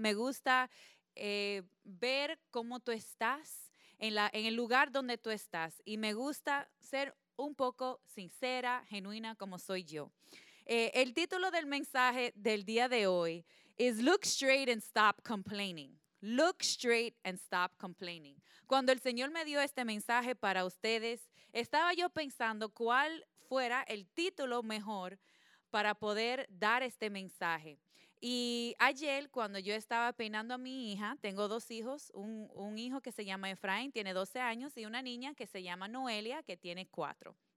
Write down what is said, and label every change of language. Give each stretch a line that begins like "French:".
Spanish: Me gusta ver cómo tú estás en el lugar donde tú estás. Y me gusta ser un poco sincera, genuina, como soy yo. El título del mensaje del día de hoy es
English: Look Straight and Stop Complaining. Look Straight and Stop Complaining.
Spanish: Cuando el Señor me dio este mensaje para ustedes, estaba yo pensando cuál fuera el título mejor para poder dar este mensaje. Y ayer, cuando yo estaba peinando a mi hija, tengo dos hijos, un hijo que se llama Efraín, tiene 12 años, y una niña que se llama Noelia, que tiene 4.